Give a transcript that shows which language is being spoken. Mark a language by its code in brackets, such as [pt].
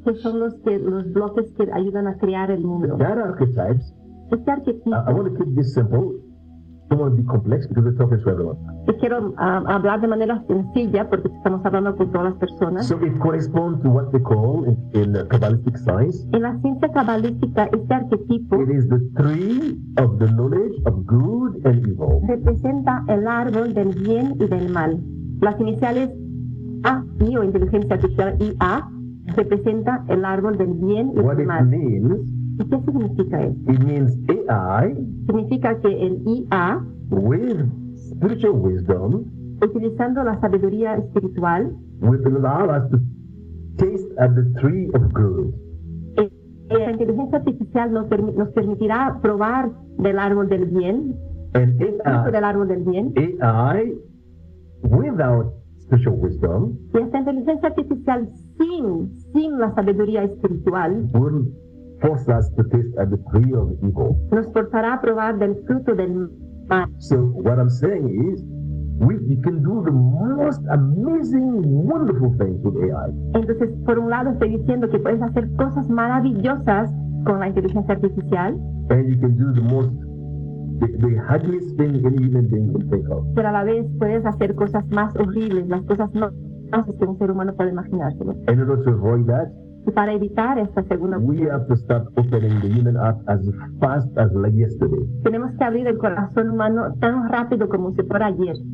[es] Que son los bloques que ayudan a crear el mundo. [en] That archetypes. [es] Este arquetipo. [en] I want to keep this simple. I don't want to be complex because we're talking to everyone. [es] Quiero hablar de manera sencilla porque estamos hablando con todas las personas. [en] So it corresponds to what they call in Kabbalistic science. [es] En la ciencia cabalística, este arquetipo. [en] It is the tree of the knowledge of good and evil. [es] Representa el árbol del bien y del mal. Las iniciales A I o inteligencia artificial I A representa el árbol del bien y del mal. [en] What it means. [es] ¿Y qué significa eso? [en] It means AI. [es] Significa que el IA, [en] with spiritual wisdom, [es] utilizando la sabiduría espiritual, [en] will allow us to taste at the tree of good. [es] La inteligencia artificial nos permitirá probar del árbol del bien. [en] And AI, [es] del árbol del bien. [en] AI, without spiritual wisdom, [es] y esta inteligencia artificial sin la sabiduría espiritual, [en] will force us to taste at the tree of evil. [es] Nos forzará a probar del fruto del mal. [en] So what I'm saying is, you can do the most amazing, wonderful things with AI. [es] Entonces, por un lado, estoy diciendo que puedes hacer cosas maravillosas con la inteligencia artificial. [en] And you can do the most, the ugliest thing any human being can think of. [es] Pero a la vez puedes hacer cosas más horribles, las cosas más que un ser humano puede imaginarse. [en] In order to avoid that. [es] Y para evitar esta segunda opción, [en] we have to start opening the human heart as fast as like yesterday. [es] Tenemos que abrir el corazón humano tan rápido como si fuera ayer.